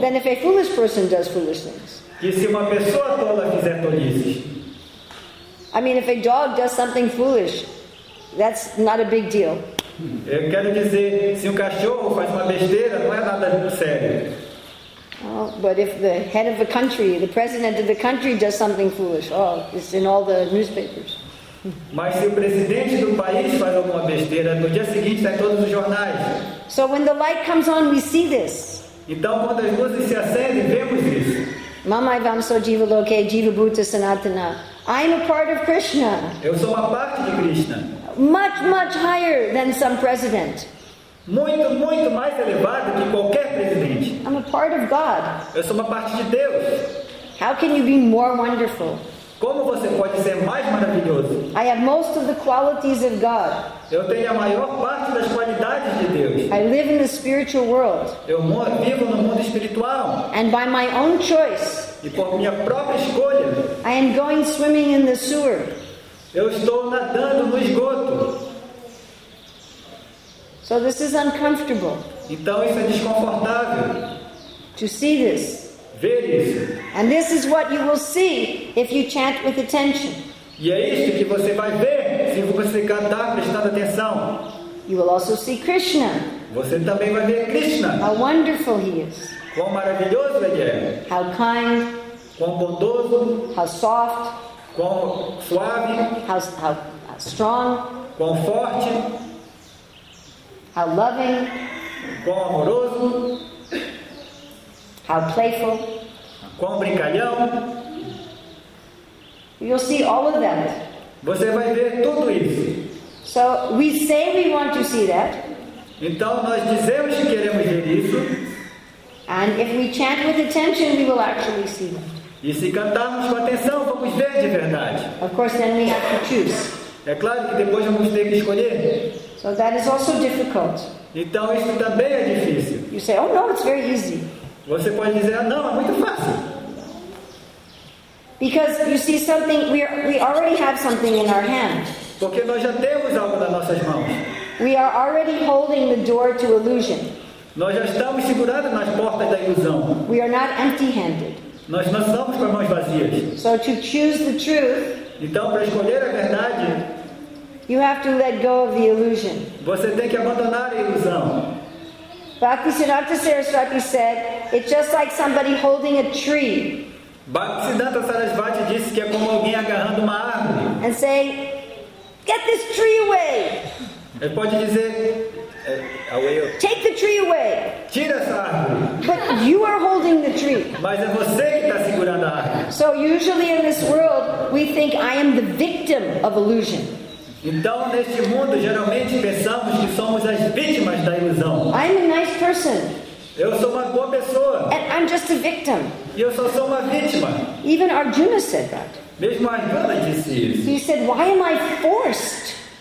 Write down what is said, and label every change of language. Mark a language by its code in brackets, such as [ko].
[en] than if a foolish person does foolish things. [pt] Que se uma pessoa tola fizer tolices. [en] I mean, if a dog does something foolish, that's not a big deal. [pt] Eu quero dizer, se um cachorro faz uma besteira, não é nada de sério. [en] Oh, but if the head of a country, the president of the country does something foolish, oh, it's in all the newspapers. [pt] Mas se o presidente do país faz alguma besteira, no dia seguinte está em todos os jornais. [en] So when the light comes on, we see this. [pt] Então quando as luzes se acendem, vemos isso. [sa] Mamai vamso jiva loke jiva bhuta sanatana. [en] I'm a part of Krishna. [pt] Eu sou uma parte de Krishna. [en] Much, much higher than some president. [pt] Muito, muito mais elevado que qualquer presidente. [en] I'm a part of God. [pt] Eu sou uma parte de Deus. [en] How can you be more wonderful? [pt] Como você pode ser mais maravilhoso? [en] I have most of the qualities of God. [pt] Eu tenho a maior parte das qualidades de Deus. [en] I live in the spiritual world. [pt] Eu vivo no mundo espiritual. [en] And by my own choice, [pt] e por minha própria escolha, [en] I am going swimming in the sewer. [pt] Eu estou nadando no esgoto. [en] So this is uncomfortable. [pt] Então isso é desconfortável. [en] To see this. [pt] Ver isso. [en] And this is what you will see if you chant with attention. [pt] E é isso que você vai ver se você cantar prestando atenção. [en] You will also see Krishna. [pt] Você também vai ver Krishna. [en] How wonderful he is. [pt] Quão maravilhoso ele é. [en] How kind. [pt] Quão bondoso. [en] How soft. [pt] Quão suave. [en] How strong. [pt] Quão forte. [en] How loving. [pt] Quão amoroso. [en] How playful. [pt] Quão brincalhão. [en] You'll see all of that. [pt] Você vai ver tudo isso. [en] So we say we want to see that. [pt] Então nós dizemos que queremos ver isso. [en] And if we chant with attention, we will actually see that. [pt] E se cantarmos com atenção, vamos ver de verdade. [en] Of course, then we have to choose. [pt] É claro que depois vamos ter que escolher. [en] So that is also difficult. [pt] Então isso também é difícil. [en] You say, oh no, it's very easy. [pt] Você pode dizer, ah, não, é muito fácil. [en] Because you see something, we already have something in our hand. [pt] Porque nós já temos algo nas nossas mãos. [en] We are already holding the door to illusion. [pt] Nós já estamos segurados nas portas da ilusão. [en] We are not empty-handed. [pt] Nós não estamos com as mãos vazias. [en] So to choose the truth. [pt] Então para escolher a verdade. [en] You have to let go of the illusion. [pt] Você tem que abandonar a ilusão. [en] Bhakti Siddhanta Sarasvati said, it's just like somebody holding a tree. [pt] Bhakti Siddhanta Sarasvati disse que é como alguém agarrando uma árvore. [en] And say, get this tree away. [pt] Ele pode dizer, away. [en] Take the tree away. [pt] Tira essa árvore. [en] But you are holding the tree. [pt] Mas é você que está segurando a árvore. [en] So usually in this world, we think I am the victim of illusion. [pt] Então, neste mundo, geralmente pensamos que somos as vítimas da ilusão. [en] I'm a nice person. [pt] Eu sou uma boa pessoa. [en] And I'm just a victim. [pt] E eu só sou uma vítima. [en] Even Arjuna said that. [pt] Mesmo Arjuna disse isso. [en] He said, why am I forced?